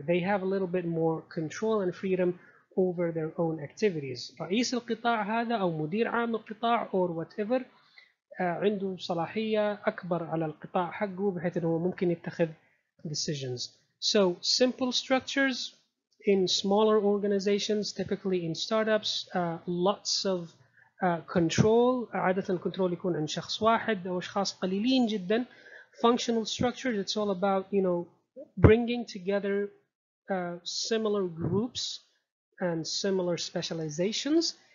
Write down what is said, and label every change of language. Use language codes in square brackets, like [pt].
[en] They have a little bit more control and freedom over their own activities. [ar] رئيس القطاع هذا أو مدير عام القطاع [en] or whatever, [ar] عنده صلاحية أكبر على القطاع حقه بحيث أنه ممكن يتخذ decisions. [en] So simple structures in smaller organizations, typically in startups, lots of control, [ar] عادة control يكون عند شخص واحد أو أشخاص قليلين جدا. [en] Functional structures, it's all about, you know, bringing together similar groups and similar specializations.